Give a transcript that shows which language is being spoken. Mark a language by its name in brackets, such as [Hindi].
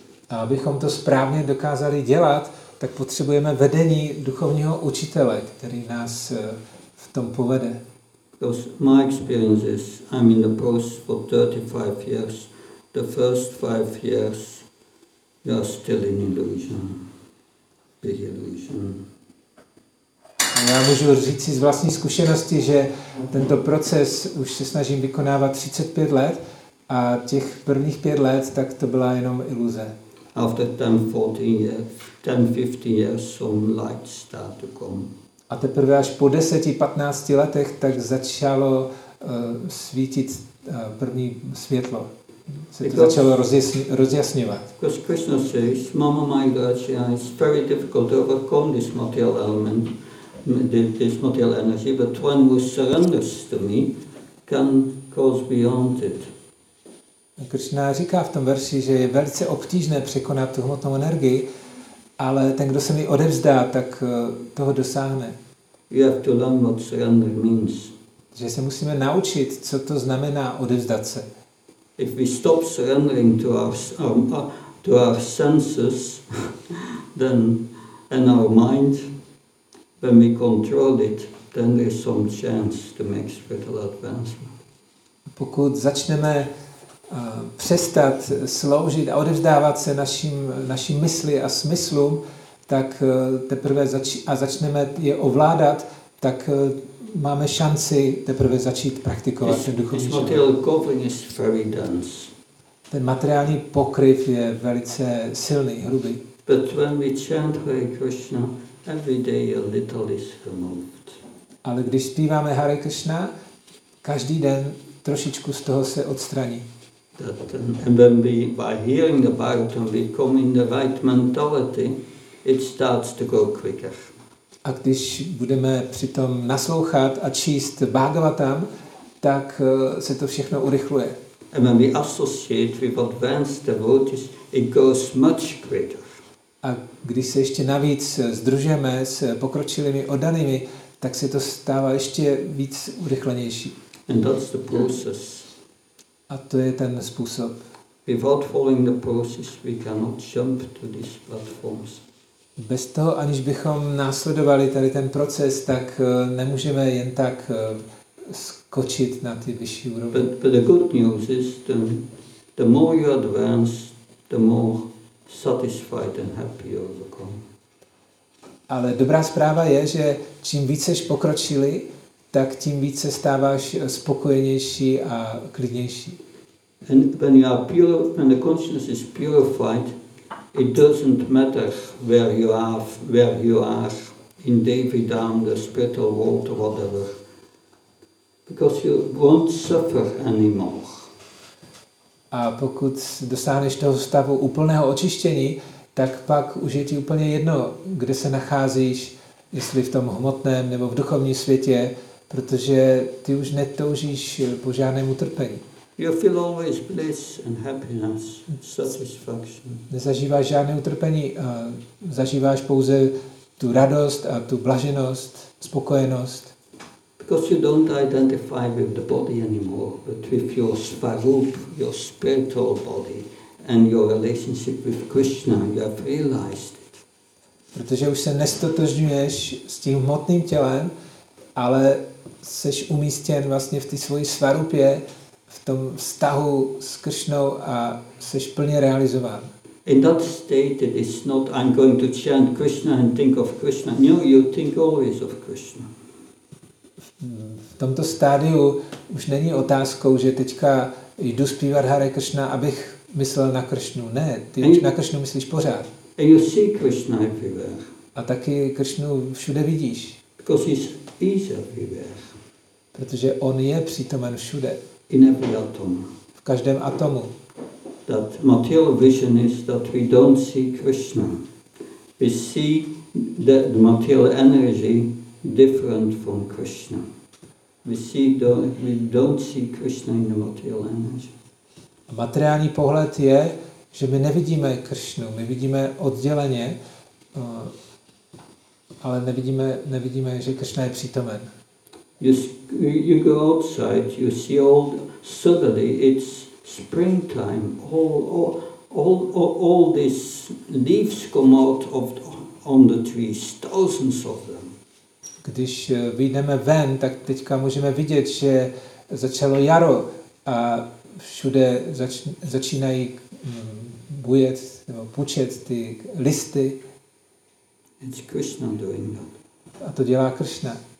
[Czech] A abychom to správně dokázali dělat, tak potřebujeme vedení duchovního učitele, který nás v tom povede. [English] Because my experience is, I'm in the process for 35 years. The first 5 years, you are still in illusion, big illusion. [Czech] Já můžu říct si z vlastní zkušenosti, že tento proces už se snažím vykonávat 35 let a těch prvních 5 let, tak to byla jenom iluze. [English] After 10-15 years, some light start to come. [Czech] A teprve až po 10-15 letech, tak začalo svítit první světlo. Se to začalo rozjasňovat. [English] Because Krishna says, Mama Maigachya, it's very difficult to overcome this material element. This material energy, but one who surrenders to me can cause beyond it. [Czech] Krishna říká v tom verši, že je velice obtížné překonat tu hmotnou energii, ale ten, kdo se mi odevzdá, tak toho dosáhne. [English] You have to learn what surrender means. [Czech] Že se musíme naučit, co to znamená odevzdat se. [English] If we stop surrendering to our senses, then and our mind. When we control it, then there is some chance to make spiritual advancement. [Czech] Pokud začneme přestat sloužit a odevzdávat se našim mysli a smyslům, tak teprve začneme je ovládat, tak máme šanci teprve začít praktikovat ten duchovní život. [English] Material covering is very dense. [Czech] Ten materiální pokryv je velice silný, hrubý. [English] But when we chant Hare Krishna, every day a little is removed. [Czech] Ale když zpíváme Hare Krishna, každý den trošičku z toho se odstraní. [English] That, and when we, by hearing the bhajan, we come in the right mentality, it starts to go quicker. [Czech] A když budeme přitom naslouchat a číst Bhagavatam, tak se to všechno urychluje. [English] And when we associate with advanced devotees, it goes much quicker. [Czech] A když se ještě navíc združujeme s pokročilými oddanými, tak se to stává ještě víc urychlenější. [English] And that's the process. [Czech] A to je ten způsob. [English] Without following the process, we cannot jump to these platforms. [Czech] Bez toho, aniž bychom následovali tady ten proces, tak nemůžeme jen tak skočit na ty vyšší úrovně. [English] But the good news is the more you advance, the more satisfied and happy you become. [Czech] Ale dobrá zpráva je, že čím více jsi pokročili, tak tím více stáváš spokojenější a klidnější. [English] And when you are pure, when the consciousness is purified, it doesn't matter where you are in David Dham, the spiritual world or whatever, because you won't suffer anymore. [Czech] A pokud dosáhneš toho stavu úplného očištění, tak pak už je ti úplně jedno, kde se nacházíš, jestli v tom hmotném nebo v duchovním světě, protože ty už netoužíš po žádném utrpení. [English] You feel always bliss and happiness, satisfaction. [Czech] Nezažíváš žádné utrpení, zažíváš pouze tu radost a tu blaženost, spokojenost. [English] Because you don't identify with the body anymore, but with your svarup, your spiritual body, and your relationship with Krishna, you have realized it. [Czech] Protože už se nestotožňuješ s tím hmotným tělem, ale seš umístěn vlastně v té svojí svarupě, v tom vztahu s Kršnou a seš plně realizován. [English] In that state it is not I'm going to chant Krishna and think of Krishna. No, you think always of Krishna. [Czech] V tomto stádiu už není otázkou, že teďka jdu zpívat Hare Krishna, abych myslel na Kršnu. Ne, ty už na Kršnu myslíš pořád. [English] And you see Krishna everywhere. [Czech] A taky Kršnu všude vidíš. [English] Because he's everywhere. [Czech] Protože on je přítomen všude. [English] In every atom. [Czech] V každém atomu. [English] That material vision is that we don't see Krishna. We see the material energy different from Krishna. We don't see Krishna in the material energy. [Czech] A materiální pohled je, že my nevidíme Krishnu, my vidíme odděleně, ale nevidíme, že Krishna je přítomen. [English] You go outside, you see all suddenly it's springtime. All these leaves come out of on the trees, thousands of them. [Czech] Když vyjdeme ven, tak teďka můžeme vidět, že začalo jaro a všude začínají bujet nebo pučet ty listy. [English] It's Krishna doing that. [Czech] A to dělá Krishna.